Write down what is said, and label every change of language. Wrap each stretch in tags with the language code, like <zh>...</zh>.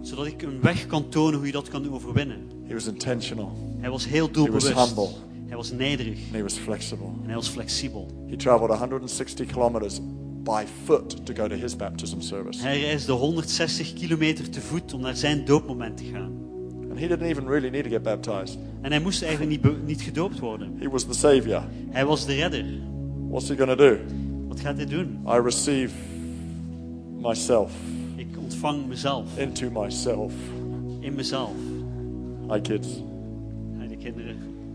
<nl>Zodat ik een weg kan tonen hoe je dat kan overwinnen.</nl> <en>He was intentional.</en> <nl>Hij was heel doelbewust.</nl> <en>He was humble.</en> <nl>Hij was nederig.</nl> <en>And he was flexible.</en> <nl>En hij was flexibel.</nl> <en>He traveled 160 kilometers by foot to go to his baptism service.</en> <nl>Hij reisde 160 kilometer te voet om naar zijn doopmoment te gaan.</nl> <en>And he didn't even really need to get baptized.</en> <nl>En hij moest eigenlijk niet gedoopt worden.</nl> <en>He was the savior.</en> <nl>Hij was de redder.</nl> <en>What's he gonna do?</en> <nl>Wat gaat hij doen?</nl> <en>I receive myself.</en> <nl>Ik ontvang mezelf.</nl> <en>Into myself.</en> <nl>In mezelf.</nl> <en>Hi kids.</en> <nl>Hi de kinderen.</nl>